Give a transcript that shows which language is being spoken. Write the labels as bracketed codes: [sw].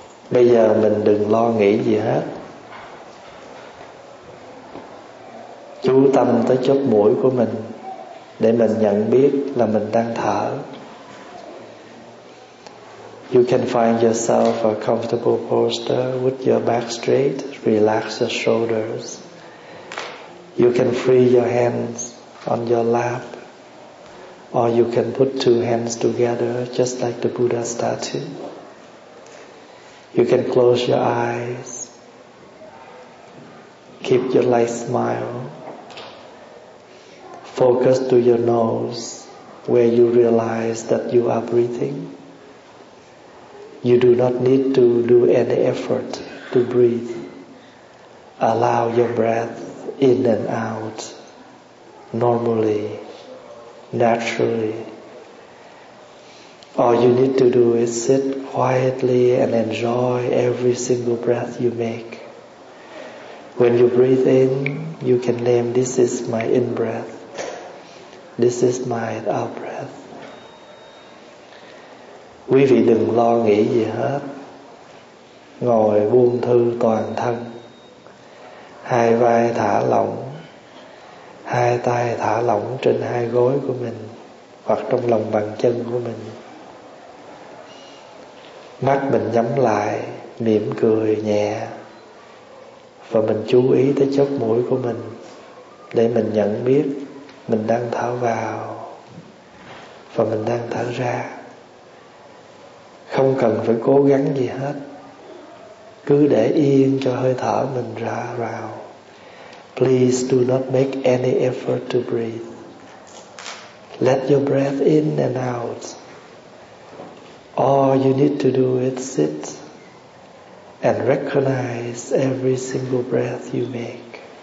[vi] Bây giờ mình đừng lo nghĩ gì hết, chú tâm tới chóp mũi của mình để mình nhận biết là mình đang thở. [en] You can find yourself a comfortable posture with your back straight. Relax your shoulders. You can free your hands on your lap, or you can put two hands together just like the Buddha statue. You can close your eyes. Keep your light smile. Focus to your nose, where you realize that you are breathing. You do not need to do any effort to breathe. Allow your breath in and out normally, naturally. All you need to do is sit quietly and enjoy every single breath you make. When you breathe in, you can name, this is my in-breath. This is my out-breath. [vi] Quý vị đừng lo nghĩ gì hết. Ngồi buông thư toàn thân. Hai vai thả lỏng. Hai tay thả lỏng trên hai gối của mình hoặc trong lòng bàn chân của mình. Mắt mình nhắm lại, mỉm cười nhẹ. Và mình chú ý tới chóp mũi của mình để mình nhận biết mình đang thở vào và mình đang thở ra. Không cần phải cố gắng gì hết, cứ để yên cho hơi thở mình ra vào. [en] Please do not make any effort to breathe. Let your breath in and out. All you need to do is sit and recognize every single breath you make.